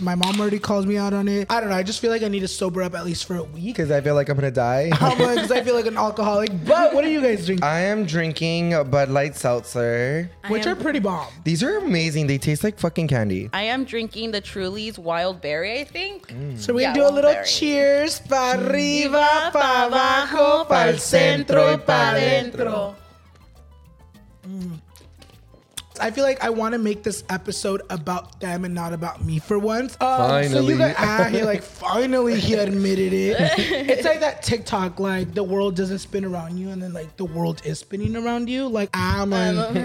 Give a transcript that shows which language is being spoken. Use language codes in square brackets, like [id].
[en] My mom already calls me out on it. I don't know. I just feel like I need to sober up at least for a week. Because I feel like I'm going to die. Because I feel like an alcoholic. But what are you guys drinking? I am drinking Bud Light Seltzer. Which are pretty bomb. These are amazing. They taste like fucking candy. I am drinking the Truly's Wild Berry, I think. So we're going to do a little cheers. [es] Pa' arriba, pa' abajo, pa' el centro y pa' adentro. [en] I feel like I want to make this episode about them and not about me for once. Finally. Finally he admitted it. It's like that TikTok, like the world doesn't spin around you and then like the world is spinning around you. Like, I'm like,